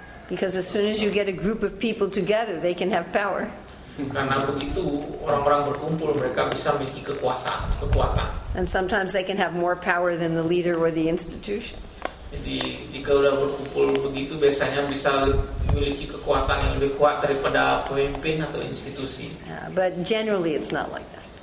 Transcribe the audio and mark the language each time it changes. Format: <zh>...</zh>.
<en>Because as soon as you get a group of people together, they can have power.</en> <id>Karena begitu orang-orang berkumpul mereka bisa memiliki kekuatan.</id> <en>And sometimes they can have more power than the leader or the institution.</en> <id>Jadi jika sudah berkumpul begitu biasanya bisa memiliki kekuatan yang lebih kuat daripada pemimpin atau institusi.</id> <en>But generally it's not like that.</en>